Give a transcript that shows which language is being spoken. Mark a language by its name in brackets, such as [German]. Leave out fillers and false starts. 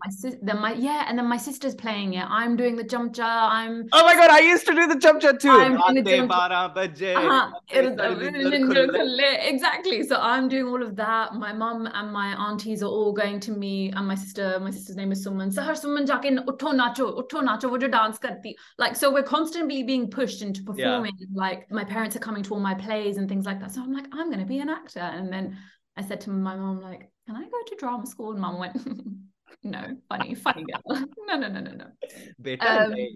[English] And then my sister's playing it. I'm doing the jamcha. Oh my God, I used to do the jamcha too. Exactly. So I'm doing all of that. My mum and my aunties are all going to me, and my sister's name is Suman. [Hindi] सहर सुमन जाके उठो नाचो, वो जो dance करती। [English] Like, so we're constantly being pushed into performing. Yeah. Like, my parents are coming to all my plays and things like that. So I'm like, I'm going to be an actor. And then I said to my mum, like, can I go to drama school? And mum went, no, funny girl. No.